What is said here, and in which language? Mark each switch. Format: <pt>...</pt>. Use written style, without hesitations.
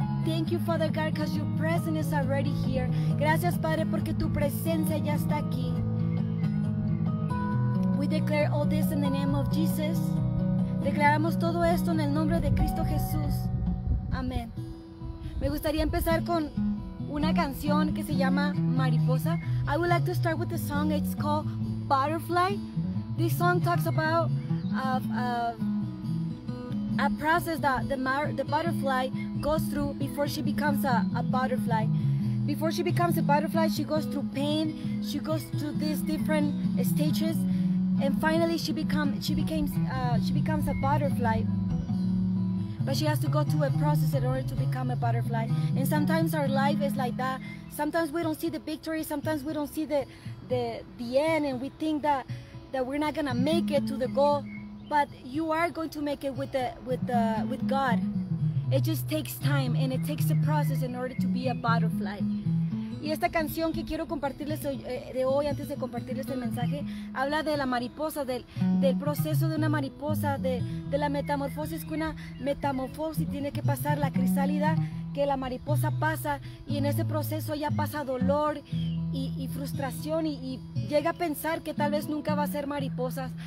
<en>Thank you, Father God, because your presence is already here.</en> <es>Gracias, Padre, porque tu presencia ya está aquí.</es> <en>We declare all this in the name of Jesus.</en> <es>Declaramos todo esto en el nombre de Cristo Jesús. Amén. Me gustaría empezar con una canción que se llama Mariposa.</es> <en>I would like to start with a song. It's called Butterfly. This song talks about a process that the butterfly goes through before she becomes a butterfly. Before she becomes a butterfly, she goes through pain. She goes through these different stages, and finally she becomes a butterfly. But she has to go through a process in order to become a butterfly. And sometimes our life is like that. Sometimes we don't see the victory. Sometimes we don't see the end, and we think that we're not gonna make it to the goal. But you are going to make it with God. It just takes time and it takes a process in order to be a butterfly.</en> <es>Y esta canción que quiero compartirles de hoy, antes de compartirles el mensaje, habla de la mariposa, del proceso de una mariposa, de la metamorfosis, que una metamorfosis tiene que pasar, la crisálida que la mariposa pasa, y en ese proceso ya pasa dolor y frustración y llega a pensar que tal vez nunca va a ser mariposas.</es>